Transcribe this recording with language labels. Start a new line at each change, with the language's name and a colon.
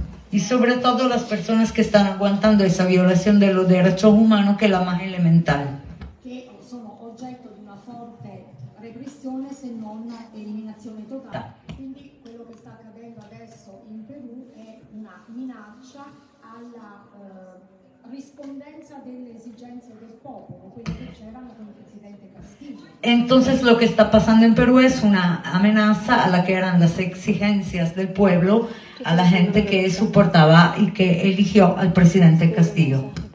Spanish: Y sobre todo las personas que están aguantando esa violación de los derechos humanos, que es la más elemental. Que son objeto de una fuerte represión, si no una eliminación total.
Italian: Quindi, quello che sta accadendo adesso in Perù è una minaccia alla rispondenza delle esigenze del popolo, quelle che c'erano con il presidente Castillo.
Spanish: Entonces, lo que está pasando en Perú es una amenaza a la que eran las exigencias del pueblo. A la gente que soportaba y que eligió al presidente Castillo.